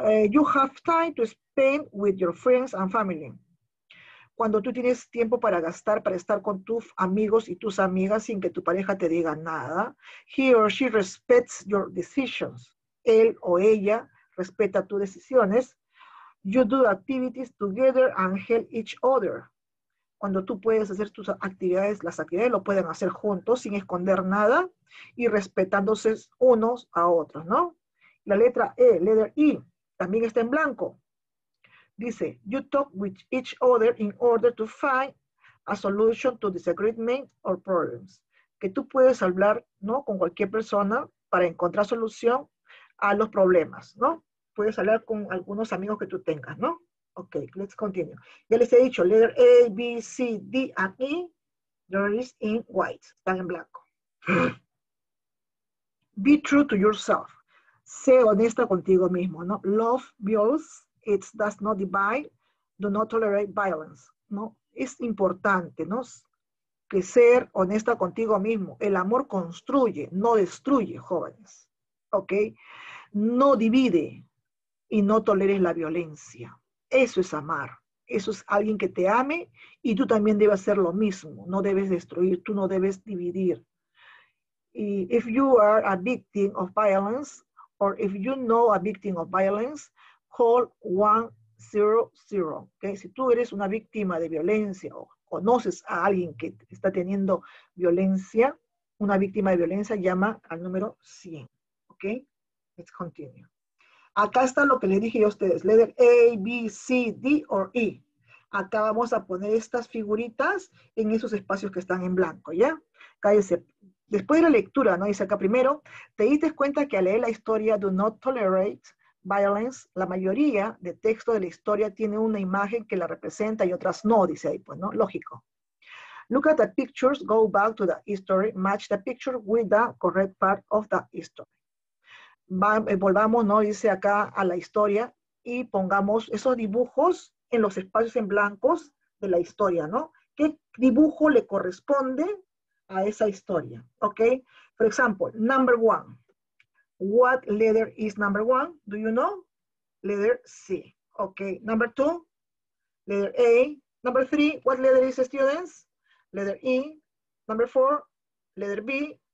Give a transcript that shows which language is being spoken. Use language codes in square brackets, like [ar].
[en] You have time to spend with your friends and family. [es] Cuando tú tienes tiempo para gastar, para estar con tus amigos y tus amigas sin que tu pareja te diga nada. [en] He or she respects your decisions. [es] Él o ella respeta tus decisiones. [en] You do activities together and help each other. [es] Cuando tú puedes hacer tus actividades, las actividades lo pueden hacer juntos sin esconder nada y respetándose unos a otros, ¿no? La letra E, [en] letter E, [es] también está en blanco. [en] Dice, you talk with each other in order to find a solution to disagreement or problems. [es] Que tú puedes hablar, ¿no?, con cualquier persona para encontrar solución a los problemas, ¿no? Puedes hablar con algunos amigos que tú tengas, ¿no? [en] Ok, let's continue. [es] Ya les he dicho, [en] letter A, B, C, D, and E, there is in white, [es] están en blanco. [en] Be true to yourself. [es] Sé honesta contigo mismo, ¿no? [en] Love builds, it does not divide, do not tolerate violence, ¿no? [es] Es importante, ¿no? Que ser honesta contigo mismo. El amor construye, no destruye, jóvenes. Ok, no divide. Y no toleres la violencia. Eso es amar. Eso es alguien que te ame y tú también debes hacer lo mismo. No debes destruir, tú no debes dividir. [en] Y if you are a victim of violence, or if you know a victim of violence, call 100. ¿Okay? [es] Si tú eres una víctima de violencia o conoces a alguien que está teniendo violencia, una víctima de violencia, llama al número 100. ¿Ok? [en] Let's continue. [es] Acá está lo que les dije yo a ustedes. [en] Letter A, B, C, D o E. [es] Acá vamos a poner estas figuritas en esos espacios que están en blanco, ¿ya? Cállese. Después de la lectura, ¿no? Dice acá primero, te diste cuenta que al leer la historia Do Not Tolerate Violence, la mayoría de texto de la historia tiene una imagen que la representa y otras no, dice ahí, pues, ¿no? Lógico. [en] Look at the pictures, go back to the history, match the picture with the correct part of the history. [es] Volvamos, ¿no? Dice acá a la historia y pongamos esos dibujos en los espacios en blancos de la historia, ¿no? ¿Qué dibujo le corresponde a esa historia? ¿Ok? Por ejemplo, [en] number one. What letter is number one? Do you know? Letter C. Okay, number two, letter A. Number three, what letter is students? Letter E. Number four, letter B.